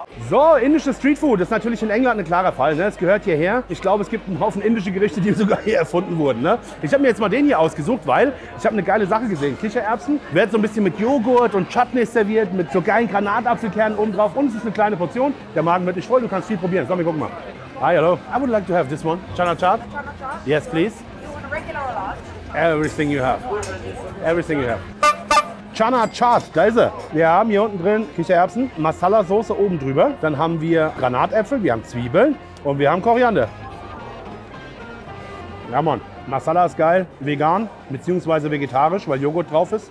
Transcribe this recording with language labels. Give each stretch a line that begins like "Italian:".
German: So, indisches Streetfood, das ist natürlich in England ein klarer Fall, ne? Das gehört hierher. Ich glaube, es gibt einen Haufen indische Gerichte, die sogar hier erfunden wurden, ne? Ich habe mir jetzt mal den hier ausgesucht, weil ich habe eine geile Sache gesehen. Kichererbsen werden so ein bisschen mit Joghurt und Chutney serviert, mit so geilen Granatapfelkernen oben drauf. Und es ist eine kleine Portion. Der Magen wird nicht voll, du kannst viel probieren. So, wir gucken mal.
English: Hi, hello. I would like to have this one. Chana chaat. Yes, please. You want a regular or large? Everything you have. Everything you have. Chana chaat,
German: da ist er. Wir haben hier unten drin Kichererbsen, Masala-Soße oben drüber. Dann haben wir Granatäpfel, wir haben Zwiebeln und wir haben Koriander. Ja, Mann. Masala ist geil, vegan bzw. vegetarisch, weil Joghurt drauf ist.